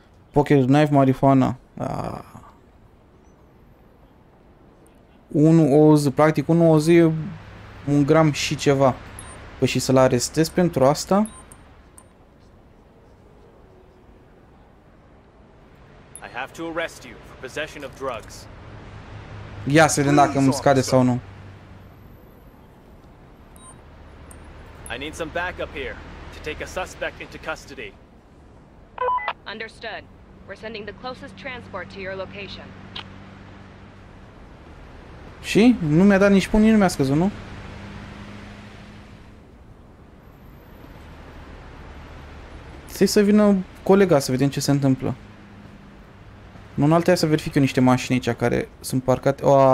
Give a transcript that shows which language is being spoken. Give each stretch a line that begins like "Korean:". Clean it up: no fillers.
English: Pocket knife, marijuana.
Romanian: Un oz, practic un oz e un gram și ceva. Păi și să-l arestez pentru asta?
English: have to arrest you for possession of drugs.
Romanian: Ia să vedem dacă îmi scade sau nu.
English: I need some backup here to take a suspect into custody. Understood. We're sending the closest transport to your location.
Romanian: Și? Nu mi-a dat nici pun, nici nu mi-a scăzut, nu? Stai să vină colega să vedem ce se întâmplă. Nu, în altă ia să verific eu niște mașini aici care sunt parcate.